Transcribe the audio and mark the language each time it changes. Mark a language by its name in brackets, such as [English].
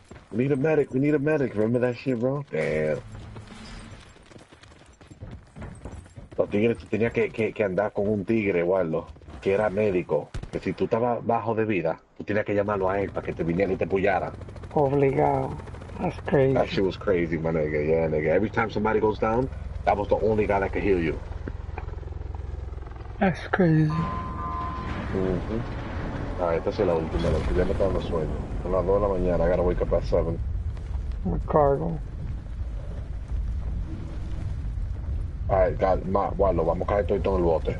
[English] We need a medic, remember that shit, bro? Damn. [Spanish] Los tigres tenía que andar con un tigre, Wallo, que era médico. Que si tú estabas bajo de vida, tú tenías que llamarlo a él para que te viniera y te pullara. Obligado. [English] That's crazy. That shit was crazy, my nigga. Yeah, nigga. Every time somebody goes down, that was the only guy that could heal you. That's crazy. Mm-hmm. [Spanish] Ah, esta es la última, la que ya me está dando sueño. A las 2 de la mañana, [English] I gotta wake up at 7. My cargo. [Spanish] Ay, calma, Wallo, vamos a caer todo en el bote.